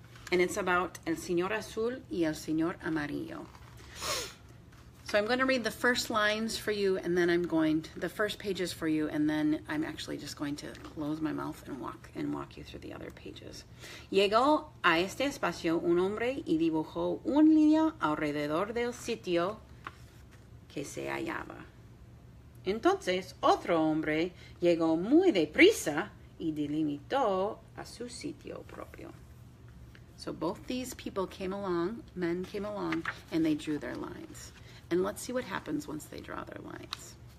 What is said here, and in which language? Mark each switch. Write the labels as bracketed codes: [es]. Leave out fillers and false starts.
[en] And it's about El Señor Azul y El Señor Amarillo. So I'm going to read the first lines for you, and then I'm going to the first pages for you, and then I'm actually just going to close my mouth and walk you through the other pages. [es] Llegó a este espacio un hombre y dibujó un línea alrededor del sitio que se hallaba. Entonces otro hombre llegó muy deprisa y delimitó a su sitio propio. [en] So both these people came along, men came along, and they drew their lines. And let's see what happens once they draw their lines.